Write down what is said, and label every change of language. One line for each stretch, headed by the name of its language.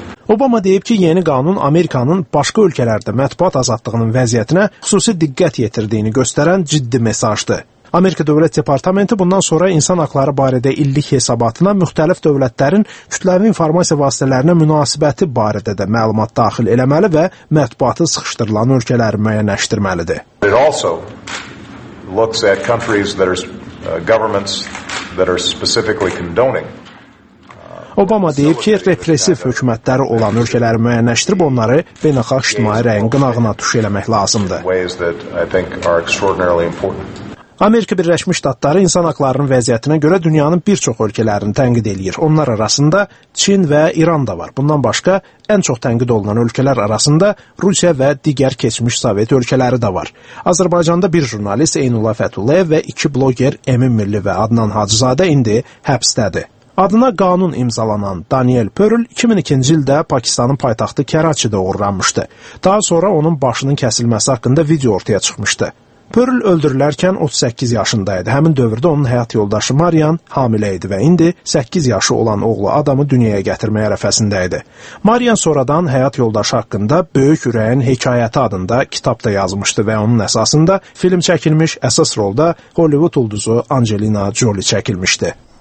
Azerbaijani: Obama deyib ki, yeni qanun Amerikanın başqa ölkələrdə mətbuat azadlığının vəziyyətinə xüsusi diqqət yetirdiyini göstərən ciddi mesajdır. Amerika Dövlət Departamenti bundan sonra insan haqları barədə illik hesabatına müxtəlif dövlətlərin kütləvi informasiya vasitələrinə münasibəti barədə də məlumat daxil eləməli və mətbuatı sıxışdırılan ölkələri müəyyənləşdirməlidir.
English: It also looks at countries that are governments that are specifically condoning.
Azerbaijani: Obama deyib ki, repressiv hökumətləri olan ölkələri müəyyənləşdirib onları beynəlxalq ictimai rəyin qınağına tuş eləmək lazımdır. Amerika Birləşmiş Ştatları insan haqlarının vəziyyətinə görə dünyanın bir çox ölkələrini tənqid eləyir. Onlar arasında Çin və İran da var. Bundan başqa, ən çox tənqid olunan ölkələr arasında Rusiya və digər keçmiş Sovet ölkələri də var. Azərbaycanda bir jurnalist Eynula Fətullayev və iki bloger Emin Milli və Adnan Hacızadə indi həbsdədir. Adına qanun imzalanan Daniel Pearl 2002-ci ildə Pakistanın paytaxtı Kəraçidə uğurlanmışdı. Daha sonra onun başının kəsilməsi haqqında video ortaya çıxmışdı. Pearl öldürülərkən 38 yaşındaydı. Həmin dövrdə onun həyat yoldaşı Marian hamilə idi və indi 8 yaşı olan oğlu adamı dünyaya gətirməyə rəfəsində idi. Marian sonradan həyat yoldaşı haqqında Böyük Ürəyin Hekayəti adında kitab da yazmışdı və onun əsasında film çəkilmiş, əsas rolda Hollywood ulduzu Angelina Jolie çəkilmişdi.